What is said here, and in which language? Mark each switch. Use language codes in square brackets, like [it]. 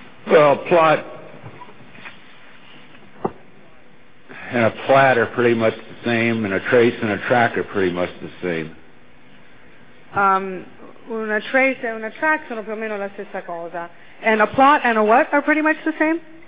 [en] Well, plot and a plat are pretty much the same, and a trace and a track are pretty much the same. [it] Una trace e una track sono più o meno la stessa cosa. [en] And a plot and a what are pretty much the same?